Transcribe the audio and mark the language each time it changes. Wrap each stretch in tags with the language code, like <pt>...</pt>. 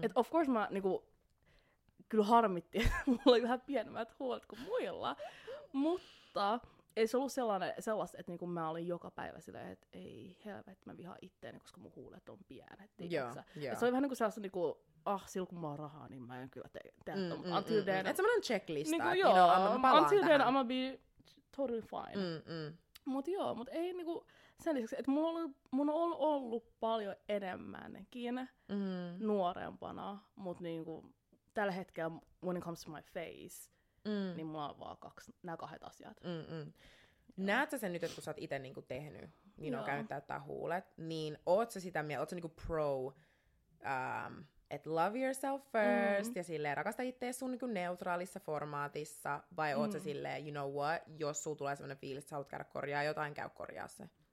<fi>Et</fi> <en>of course</en> <fi>mä niinku, kyllä harmitti, että mulla oli vähän pienemmät huolet kuin muilla. Mutta ei se ollut sellaista, että niinku mä olin joka päivä silleen, että ei helvetti, mä vihaan itteeni, koska mun huulet on pienet.</fi> <en>Yeah.</en> <fi>Se oli vähän niinku sellaista, niinku, silloin kun mä oon rahaa, niin mä en kyllä tee tämän. Että semmoinen checklista, niin kuin, joo, että niin, no, palaan</fi> <en>until</en> <fi>tähän.</fi> <en>Until then, I'm gonna be totally fine.</en> <fi>Mutta joo, mutta ei niinku sen lisäksi, että mun on ollut paljon enemmänkin nuorempana, mutta niinku tällä hetkellä,</fi> <en>when it comes to my face,</en> <fi>niin mulla on vaan nämä kahdet asiat. Näet sä sen nyt, että kun sä oot ite niinku tehnyt, niin on käynyt täyttää huulet, niin oot sä sitä mieltä, oot sä niinku pro, että</fi> <en>love yourself first,</en> <fi>ja silleen rakasta itseäsi sun niinku neutraalissa formaatissa, vai oot sä silleen,</fi> <en>you know what,</en> <fi>jos sulla tulee sellainen fiilis, että sä haluat käydä korjaa jotain, käy korjaa se.</fi>